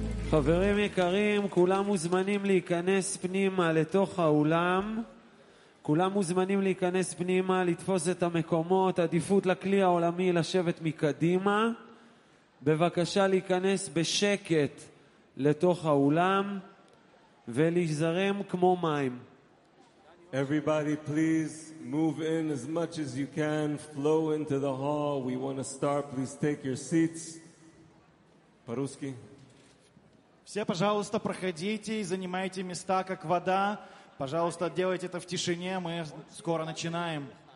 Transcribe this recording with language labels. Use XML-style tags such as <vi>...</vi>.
<he>חברים יקרים, כולם מוזמנים להיכנס פנימה לתוך האולם. כולם מוזמנים להיכנס פנימה, לתפוס את המקומות, עדיפות לכלי העולמי לשבת מקדימה. בבקשה להיכנס בשקט לתוך האולם ולהיזרם כמו מים.</he> <en>Everybody, please move in as much as you can, flow into the hall. We want to start. Please take your seats. Паруски.</en> <ru>Все, пожалуйста, проходите и занимайте места, как вода. Пожалуйста, делайте это в тишине, мы скоро начинаем.</ru>